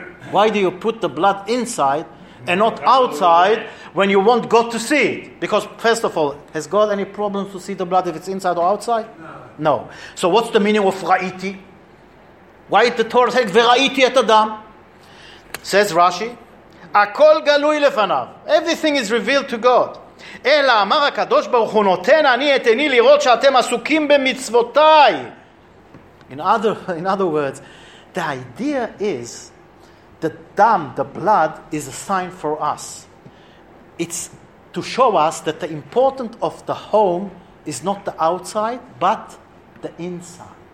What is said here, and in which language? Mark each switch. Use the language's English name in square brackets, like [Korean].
[English] Why do you put the blood inside and not outside when you want God to see it? Because first of all, has God any problems to see the blood if it's inside or outside? No. So what's the meaning of ra'iti? Why did the Torah say, ve'ra'iti et Adam? Says Rashi, [Hebrew] הכל גלוי לפניו. [English] Everything is revealed to God. [Hebrew] אלא אמר הקדוש ברוך הוא, נותן אני את עיני לראות שאתם עסוקים במצוותיי. [English] In other words, the idea is the dam, the blood, is a sign for us. It's to show us that the importance of the home is not the outside, but the inside.